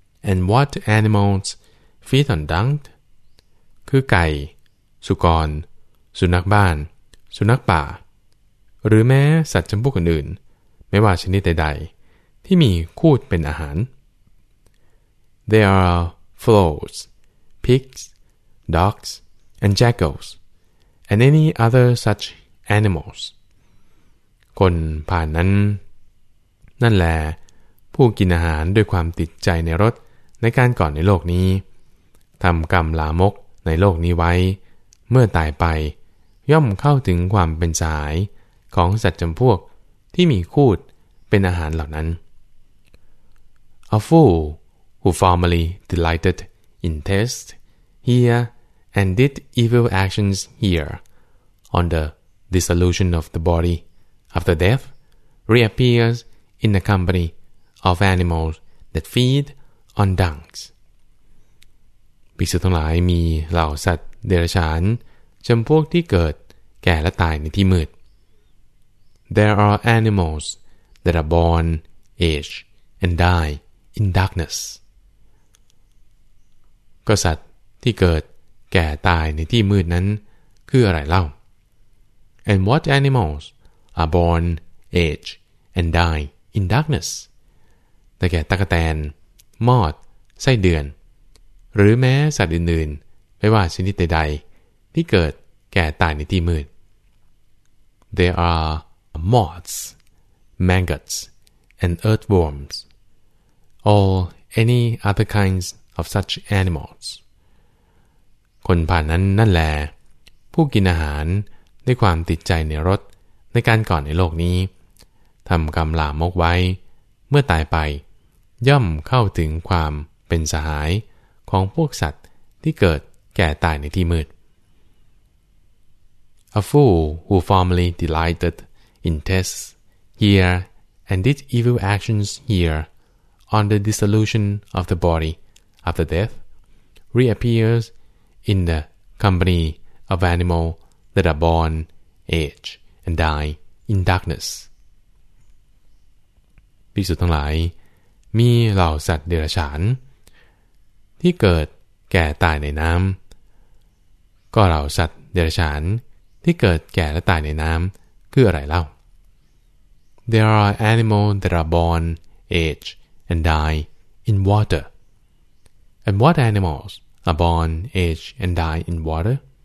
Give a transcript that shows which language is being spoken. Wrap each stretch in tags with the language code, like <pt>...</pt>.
<en>And what animals feed on dung?</en> <th>คือไก่สุกรสุนัขบ้านสุนัขป่าหรือแม้สัตว์จำพวกอื่นไม่ว่าชนิดใดๆที่มีคูฏเป็นอาหาร</th> <en>There are fowls, pigs, dogs, and jackals, and any other such animals.</en> <th>คนผ่านนั้นนั่นแหละผู้กินอาหารด้วยความติดใจในรสในการก่อนในโลกนี้ทำกรรมลามกในโลกนี้ไว้เมื่อตายไปย่อมเข้าถึงความเป็นสายของสัตว์จำพวกที่มีคูฏเป็นอาหารเหล่านั้น</th> <en>A fool who formerly delighted in tests here and did evil actions here on the dissolution of the body after death reappears in the companyof animals that feed on dungs.</en> <th>ภิกษุทั้งหลายมีเหล่าสัตว์เดรัจฉานจำพวกที่เกิดแก่และตายในที่มืด</th> <en>There are animals that are born, age, and die in darkness.</en> <th>ก็สัตว์ที่เกิดแก่ตายในที่มืดนั้นคืออะไรเล่า</th> <en>And what animals are born, age, and die in darkness?</en> <th>แต่แก่ตะกะแตนมอดไส้เดือนหรือแม้สัตว์อื่นๆไม่ว่าชนิดใดๆที่เกิดแก่ตายในที่มืด</th> <en>There are moths, maggots, and earthworms, or any other kinds of such animals.</en> <th>คนผ่านนั้นนั่นแหละผู้กินอาหารด้วยความติดใจในรสในการก่อนในโลกนี้ทำกรรมลามกไว้เมื่อตายไปย่อมเข้าถึงความเป็นสหายของพวกสัตว์ที่เกิดแก่ตายในที่มืด</th> <en>A fool who formerly delighted in tests here and did evil actions here on the dissolution of the body after death reappears in the company of animals that are born, age, and die in darkness</en> <th>ภิกษุทั้งหลายมีเหล่าสัตว์เดรัจฉานที่เกิดแก่ตายในน้ำก็เหล่าสัตว์เดรัจฉานที่เกิดแก่และตายในน้ำคืออะไรเล่า</th> <en>There are animals that are born, age, and die in water. And what animals are born, age, and die in water?</en>